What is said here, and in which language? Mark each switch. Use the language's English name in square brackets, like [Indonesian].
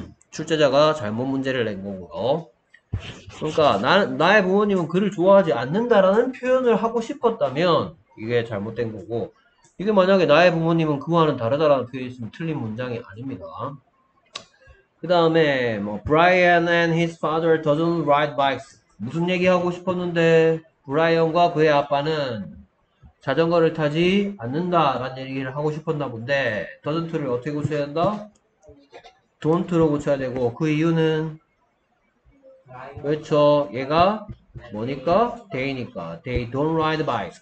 [Korean] 출제자가 잘못 문제를 낸 거고요. 그러니까 나의 부모님은 그를 좋아하지 않는다라는 표현을 하고 싶었다면 이게 잘못된 거고. 이게 만약에 나의 부모님은 그와는 다르다라는 표현이 있으면 틀린 문장이 아닙니다. 그 다음에 뭐 [English] Brian and his father doesn't ride bikes. [Korean] 무슨 얘기 하고 싶었는데 브라이언과 그의 아빠는 자전거를 타지 않는다라는 얘기를 하고 싶었나 본데 doesn't를 어떻게 고쳐야 한다? don't로 고쳐야 되고 그 이유는 그렇죠. 얘가 뭐니까? they니까. [English] they don't ride bikes.